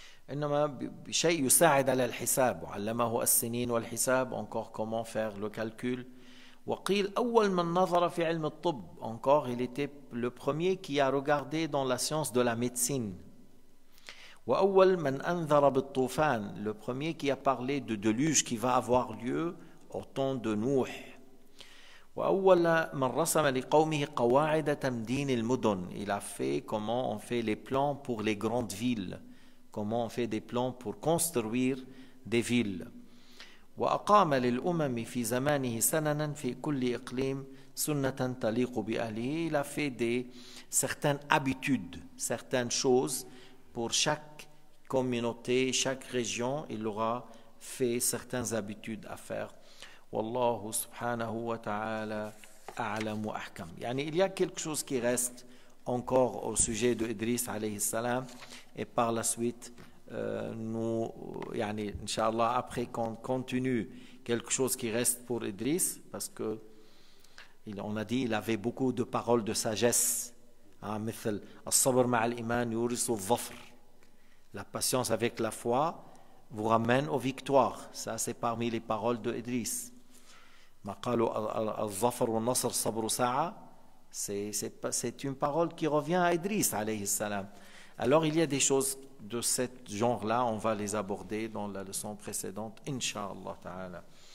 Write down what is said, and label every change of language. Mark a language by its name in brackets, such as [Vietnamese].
[Arabic] إنما بشيء يساعد على الحساب وعلمه السنين والحساب. [French] Encore comment faire le calcul. [Arabic] وقيل أول من نظر في علم الطب. [French] Encore il était le premier qui a regardé dans la science de la médecine. [Arabic] وأول من أنذر بالطوفان. [French] Le premier qui a parlé de déluge qui va avoir lieu au temps de Nuh. [Arabic] وأول من رسم لقومه قواعد تمدين المدن. [French] Il a fait comment on fait les plans pour les grandes villes. Comment on fait des plans pour construire des villes. [Arabic] وأقام للأمم في زمانه سننا في كل إقليم سنة تليق بأهله. [French] Il a fait certaines habitudes, certaines choses pour chaque communauté, chaque région. Il aura fait certaines habitudes à faire. [Arabic] والله سبحانه وتعالى أعلم وأحكم. [French] يعني il y a quelque chose qui reste encore au sujet de Idris alayhi salam. Et par la suite, nous, yani, inshallah, après qu'on continue quelque chose qui reste pour Idris, parce que on a dit qu'il avait beaucoup de paroles de sagesse. [Arabic] مثل الصبر مع الإيمان يورث الظفر. [French] La patience avec la foi vous ramène aux victoires. Ça, c'est parmi les paroles de Idris. [Arabic] ما قالوا الظفر والنصر صبر ساعة. [French] C'est une parole qui revient à Idris, alayhi salam. Alors il y a des choses de ce genre-là, on va les aborder dans la leçon précédente, inshallah ta'ala.